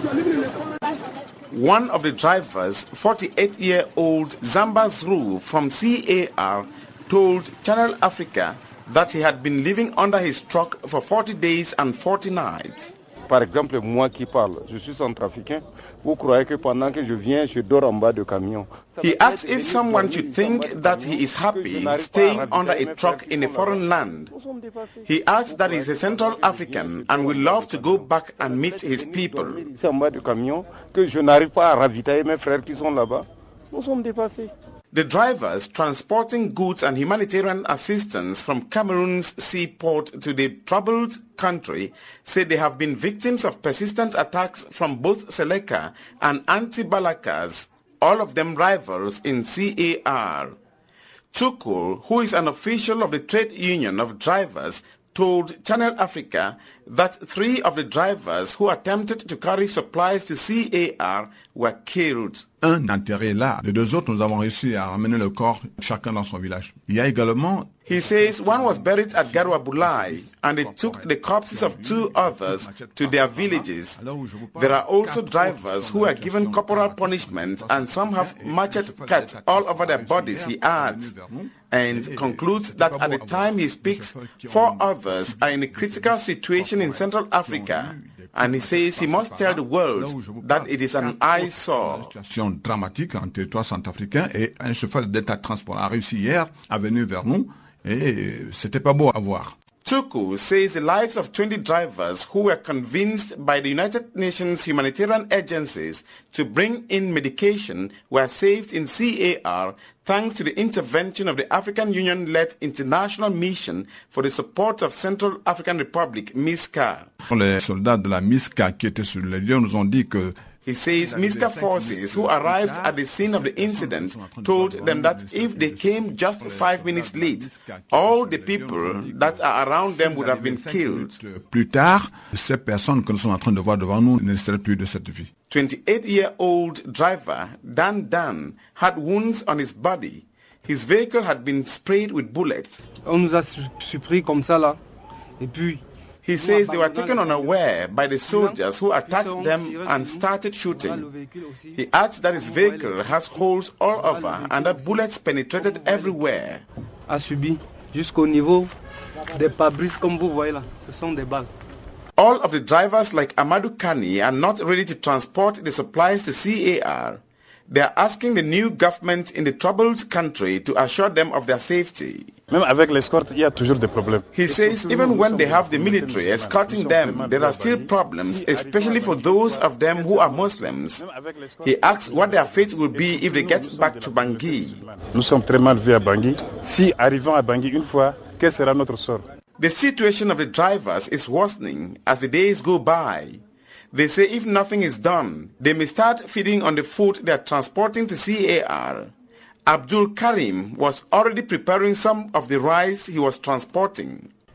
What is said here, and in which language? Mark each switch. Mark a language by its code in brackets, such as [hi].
[en] One of the drivers, 48-year-old Zamba Zru from CAR, told Channel Africa that he had been living under his truck for 40 days and 40 nights. [fr] Par exemple, moi qui parle, je suis centrafricain. Vous croyez que pendant que je viens, je dors en bas de camion? [en] He asked if someone should think that he is happy staying under a truck in a foreign land. He asked that he's a Central African and would love to go back and meet his people. [fr] En bas de camion, que je n'arrive pas à ravitailler mes frères qui sont là-bas. Nous sommes dépassés. [en] The drivers transporting goods and humanitarian assistance from Cameroon's seaport to the troubled country say they have been victims of persistent attacks from both Seleka and anti-Balakas, all of them rivals in CAR. Tukul, who is an official of the Trade Union of Drivers, told Channel Africa that three of the drivers who attempted to carry supplies to CAR were killed. [fr] Un d'entre eux là, les deux autres nous avons réussi à ramener le corps chacun dans son village. Il y a également. [en] He says one was buried at Garua Bulai and it took the corpses of two others to their villages. There are also drivers who are given corporal punishment and some have machete cuts all over their bodies, he adds, and concludes that at the time he speaks, four others are in a critical situation in Central Africa. And he says he must tell the world that it is an eyesore. [fr] Situation dramatique en territoire centrafricain et un chauffeur d'état de transport a réussi hier à venir vers nous et c'était pas beau à voir. [en] Tuku says the lives of 20 drivers who were convinced by the United Nations humanitarian agencies to bring in medication were saved in CAR thanks to the intervention of the African Union-led International Mission for the Support of Central African Republic, MISCA. [fr] Les soldats de la MISCA qui étaient sur les lieux nous ont dit que... [en] He says MISCA forces who arrived at the scene of the incident told them that if they came just 5 minutes late, all the people that are around them would have been killed. [fr] Plus tard, ces personnes que nous sommes en train de voir devant nous ne seraient plus de cette vie. [en] 28-year-old driver Dan Dan had wounds on his body. His vehicle had been sprayed with bullets. [fr] On nous a surpris comme ça là, et puis. [en] He says they were taken unaware by the soldiers who attacked them and started shooting. He adds that his vehicle has holes all over and that bullets penetrated everywhere. [fr] A subi jusqu'au niveau des pare-brise comme vous voyez là, ce sont des balles. [en] All of the drivers like Amadou Kani are not ready to transport the supplies to CAR. They are asking the new government in the troubled country to assure them of their safety. [fr] Même avec l'escorte, il y a toujours des problèmes. [en] He says even when they have the military escorting them, there are still problems, especially for those of them who are Muslims. He asks what their fate will be if they get back to Bangui. [fr] Nous sommes très mal vus à Bangui. Si arrivons à Bangui une fois, quel sera notre sort? [en] The situation of the drivers is worsening as the days go by. They say if nothing is done, they may start feeding on the food they are transporting to CAR. Abdul Karim was already preparing some of the rice he was transporting.